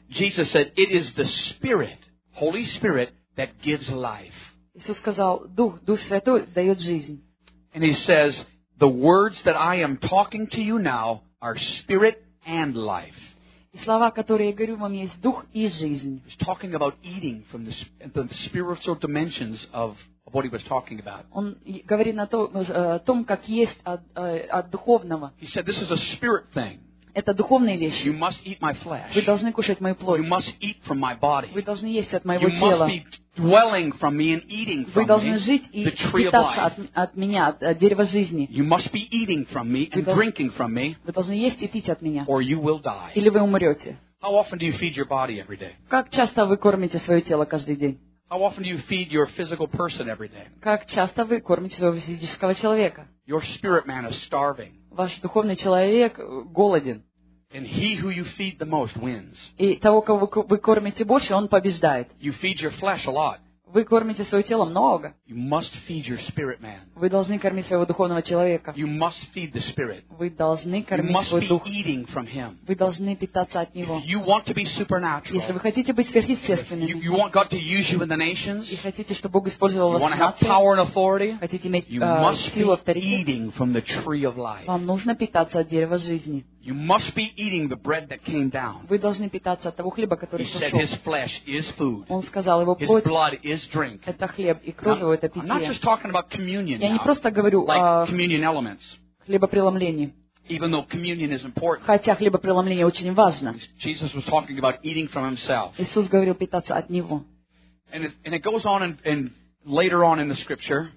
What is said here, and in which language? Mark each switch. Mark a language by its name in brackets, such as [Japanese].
[English] Jesus said, it is the Spirit, Holy Spirit, that gives life. [Russian] Иисус сказал, Дух Святой дает жизнь. [English] And he says, the words that I am talking to you now are Spirit and life. [Russian] И слова, которые я говорю вам, есть дух и жизнь. [English] He was talking about eating from the spiritual dimensions of what he was talking about. [Russian] Он говорит о том, как есть от духовного. [English] He said, this is a spirit thing. [Russian] Это духовные вещи. [English] You must eat my flesh. [Russian] Вы должны кушать мою плоть. [English] You must eat from my body. [Russian] Вы должны есть от моего [English] you [Russian] тела. [English] Must be dwelling from me and eating from [Russian] вы должны [English] me, [Russian] жить и питаться от меня, от дерева жизни. [English] You must be eating from me and drinking from me, [Russian] вы должны есть и пить от меня. [English] Or you will die. [Russian] Или вы умрете. [English] How often do you feed your body every day? [Russian] Как часто вы кормите свое тело каждый день? [English] How often do you feed your physical person every day? [Russian] Как часто вы кормите своего физического человека? [English] Your spirit man is starving. [Russian] Ваш духовный человек голоден. [English] And he who you feed the most wins. [Russian] И того, кого вы кормите больше, он побеждает. [English] You feed your flesh a lot. [Russian] Вы кормите свое тело много. [English] You must feed your spirit man. [Russian] Вы должны кормить своего духовного человека. [English] You must feed the spirit. [Russian] Вы должны кормить [English] you must [Russian] свой [English] be [Russian] дух. [English] Eating from him. [Russian] Вы должны питаться от него. [English] If you want to be supernatural, [Russian] если вы хотите быть сверхъестественными, [English] you want God to use you in the nations, [Russian] и хотите, чтобы Бог использовал вас в нациях, [English] you want to have power and authority, [Russian] хотите иметь [English] you must [Russian] силу [English] be eating from the tree of life. [Russian] Вам нужно питаться от дерева жизни. [English] You must be eating the bread that came down. [Russian] Вы должны питаться от того хлеба, который сошел. [English] He said his flesh is food. [Russian] Он сказал, его плоть. [English] His blood is drink. [Russian] Это хлеб и кровь его, это питье. [English] I'm not just talking about communion. [Russian] Я не просто говорю о [English] communion elements. [Russian] Хлебопреломлении. [English] Even though communion is important. [Russian] Хотя хлебопреломление очень важно. [English] Jesus was talking about eating from himself. [Russian] Иисус говорил питаться от него. [English] And it goes on and later on in the scripture.